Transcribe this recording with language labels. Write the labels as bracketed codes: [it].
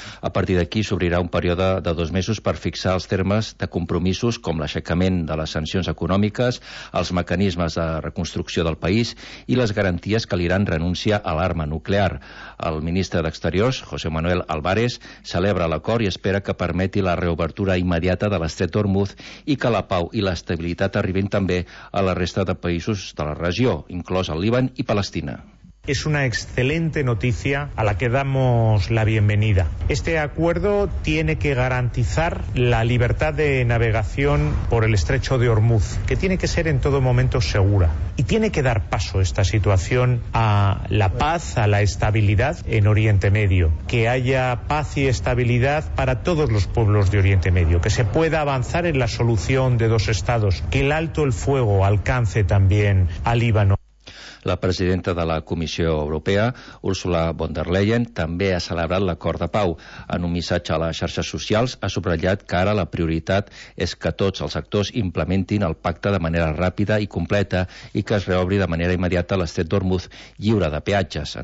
[ca] A partir d'aquí s'obrirà un període de 2 mesos per fixar els termes de compromisos com l'aixecament de les sancions econòmiques, els mecanismes de reconstrucció del país i les garanties que l'Iran renuncia a l'arma nuclear. El ministre d'Exteriors, José Manuel Álvarez, celebra l'acord i espera que permeti la reobertura immediata de l'estret d'Hormuz i que la pau i l'estabilitat arribin també a la resta de països de la regió, inclòs el Líban i Palestina. [es] Es una excelente noticia a la que damos la bienvenida. Este acuerdo tiene que garantizar la libertad de navegación por el estrecho de Hormuz, que tiene que ser en todo momento segura. Y tiene que dar paso esta situación a la paz, a la estabilidad en Oriente Medio. Que haya paz y estabilidad para todos los pueblos de Oriente Medio. Que se pueda avanzar en la solución de 2 estados. Que el alto el fuego alcance también al Líbano. [ca] La presidenta de la Comissió Europea, Ursula von der Leyen, també ha celebrat l'acord de pau. En un missatge a les xarxes socials ha subratllat que ara la prioritat és que tots els actors implementin el pacte de manera ràpida i completa i que es reobri de manera immediata l'estret d'Hormuz lliure de peatges.